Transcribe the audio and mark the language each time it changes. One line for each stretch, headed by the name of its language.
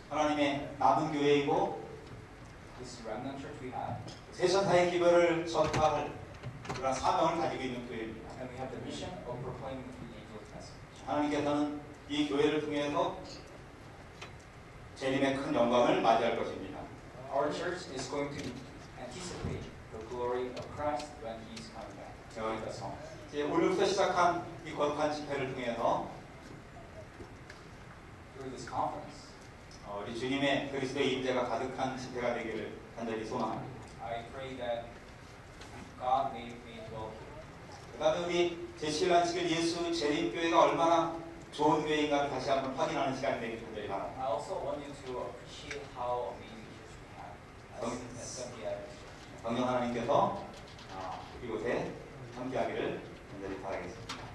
Korean: 하나님의 남은 교회이고
English: this remnant church we have.
Korean: 세상의 기별을 전파할 그런 사명을 가지고 있는 교회입니다.
English: And we have the mission of proclaiming the angel's message.
Korean: 하나님께서는 이 교회를 통해서 재림의 큰 영광을 맞이할 것입니다.
English: Our church is going to anticipate the glory of Christ when He is coming back.
Korean: 그래서 이제 오늘부터 시작한 이 거룩한 집회를 통해서
English: through this conference,
Korean: 우리 주님의 그리스도의 임재가 가득한 집회가 되기를 간절히 소망합니다.
English: I pray that God may dwell.
Korean: 그 다음에 우리 제7안식일 예수 재림교회가 얼마나 좋은 교회인가를 다시 한번 확인하는 시간이 되길 간절히 바랍니다.
English: I also want you to appreciate how amazing church we have.
Korean: 성령 하나님께서 이곳에 함께하기를 간절히 바라겠습니다.